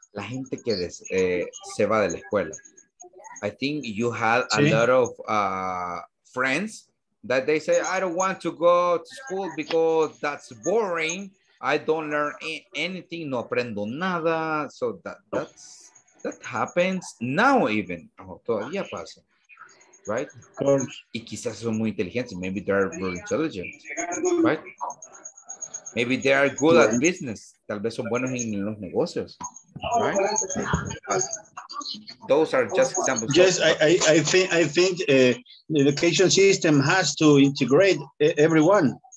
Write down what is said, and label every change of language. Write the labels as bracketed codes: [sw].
[es] La gente que se va de la escuela. [en] I think you had a lot of friends that they say, I don't want to go to school because that's boring. I don't learn anything, [es] no aprendo nada. [en] So that happens now even. [es] Oh, todavía pasa, right? [en] Of course. [es] Y quizás son muy inteligentes. [en] Maybe they're very intelligent, right? Maybe they are good at business. [es] Tal vez son buenos en los negocios, right? [en] But those are just examples. Yes, I think the education system has to integrate everyone.